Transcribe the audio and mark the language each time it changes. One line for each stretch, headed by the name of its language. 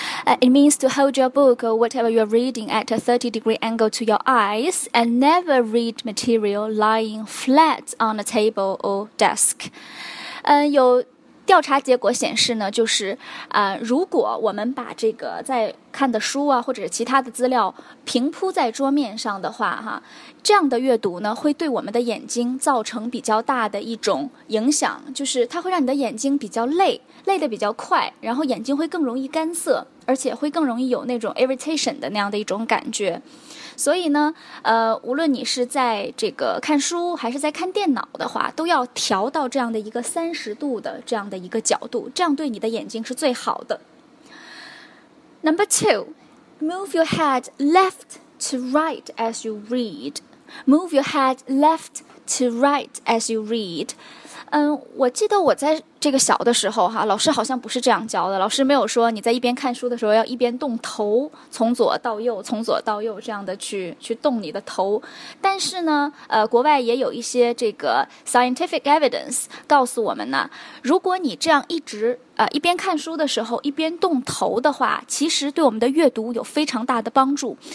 English: It means to hold your book or whatever you're reading at a 30-degree angle to your eyes and never read material lying flat on a table or desk.
Chinese: 有调查结果显示呢，就是如果我们把这个在看的书啊或者其他的资料平铺在桌面上的话哈，这样的阅读呢会对我们的眼睛造成比较大的一种影响，就是它会让你的眼睛比较累，累得比较快，然后眼睛会更容易干涩，而且会更容易有那种 irritation 的那样的一种感觉。所以呢无论你是在这个看书还是在看电脑的话，都要调到这样的一个30度的这样的一个角度，这样对你的眼睛是最好的。
English: Number two， Move your head left to right as you read. Move your head left to right as you read.
Chinese: 我记得我在这个小的时候哈，老师好像不是这样教的，老师没有说你在一边看书的时候要一边动头，从左到右，从左到右这样的去动你的头。但是呢国外也有一些这个
English: scientific evidence
Chinese: 告诉我们呢，如果你这样一直一边看书的时候一边动头的话，其实对我们的阅读有非常大的帮助。